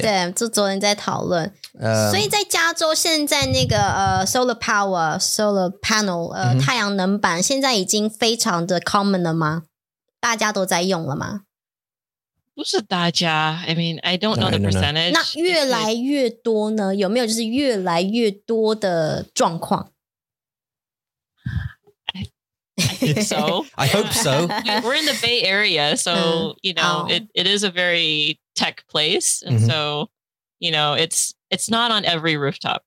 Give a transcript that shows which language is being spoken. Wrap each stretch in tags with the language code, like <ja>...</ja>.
<zh>对，就昨天在讨论。所以在加州现在那个 solar power, solar panel, 太阳能板, 现在已经非常的 common 了吗? 大家都在用了吗? 不是大家,</zh> <en>I mean, I don't know the percentage.</en> <zh>那越来越多呢? 有没有就是越来越多的状况?</zh> <en>I think so. I hope so. We're in the Bay Area, so you know, it is a very tech place, and so you know, it's not on every rooftop.</en>